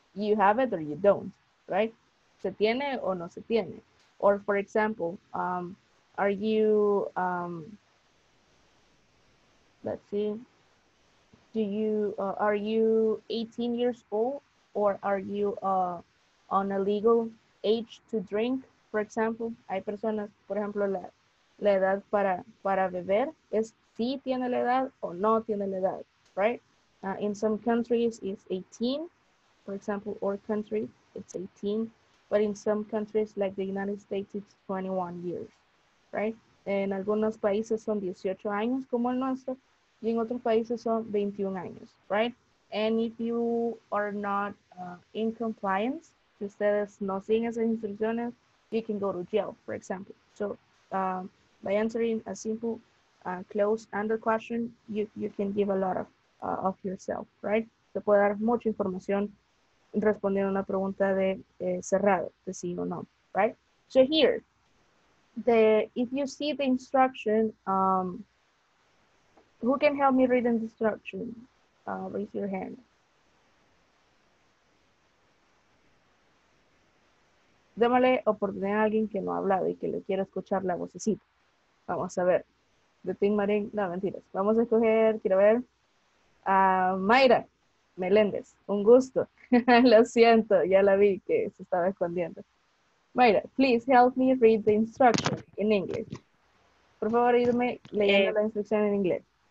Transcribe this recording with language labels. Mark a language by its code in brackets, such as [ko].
[en] You have it or you don't, right? [es] ¿Se tiene o no se tiene? [en] Or for example, are you, let's see, are you 18 years old or are you on a legal age to drink? For example, [es] hay personas, por ejemplo, la edad para beber es si tiene la edad o no tiene la edad, right? [en] In some countries, it's 18. For example, our country, it's 18. But in some countries, like the United States, it's 21 years, right? [es] En algunos países son 18 años, como el nuestro, y en otros países son 21 años, right? [en] And if you are not in compliance, [es] si ustedes no siguen esas instrucciones, [en] you can go to jail, for example. So, by answering a simple, closed-ended question, you can give a lot of yourself, right? [es] Se puede dar mucha información respondiendo a una pregunta de cerrado, de sí o no, right? [en] So here, if you see the instruction, who can help me read the instruction? Raise your hand. [es] Démosle oportunidad a alguien que no ha hablado y que le quiera escuchar la vocecita. Vamos a ver. De Tim Marín, no, mentiras. Vamos a escoger, quiero ver. Mayra Meléndez, un gusto. Lo siento, ya la vi que se estaba escondiendo. [en] Mayra, please help me read the instruction in English. [es] Por favor, irme leyendo la instrucción en inglés.